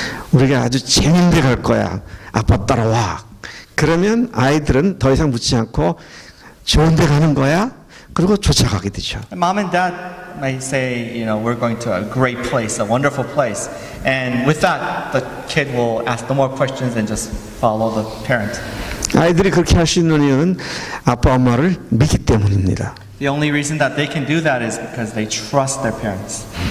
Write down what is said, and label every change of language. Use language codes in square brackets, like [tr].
[ko] 우리가 아주 재밌게 갈 거야. 아빠 따라와. 그러면 아이들은 더 이상 묻지 않고 좋은 데 가는 거야. 그리고 쫓아가게 되죠. [en] Mom and dad might say, you know, we're going to a great place, a wonderful place. And with that, the kid will ask no more questions and just follow the parent. [ko] 아이들이 그렇게 할 수 있는 이유는 아빠 엄마를 믿기 때문입니다. [en] The only reason that they can do that is because they trust their parents.